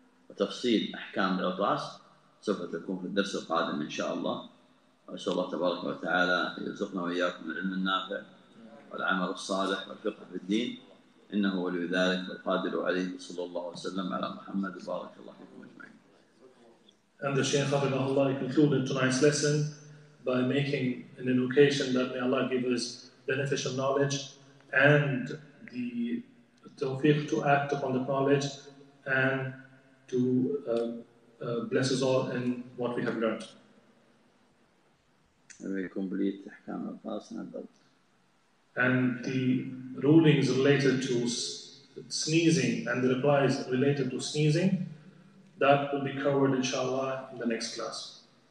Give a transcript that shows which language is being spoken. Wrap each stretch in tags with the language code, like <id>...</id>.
<ar>وتفصيل أحكام العطاس سوف تكون في الدرس القادم إن شاء الله. أسأل الله تبارك وتعالى يرزقنا وإياكم العلم النافع والعمل الصالح والفقه في الدين إنه ولي ذلك القادر عليه صلى الله وسلم على محمد بارك الله فيكم أجمعين.</ar> <en>And the Shaykh Hafidhahu Allah concluded tonight's lesson by making an invocation that may Allah give us beneficial knowledge and the tawfiq to act upon the knowledge and to bless us all in what we have learned. We complete</en> <ar>أحكام الخاص نبدأ.</ar> <en>And the rulings related to sneezing and the replies related to sneezing, that will be covered inshallah in the next class.</en>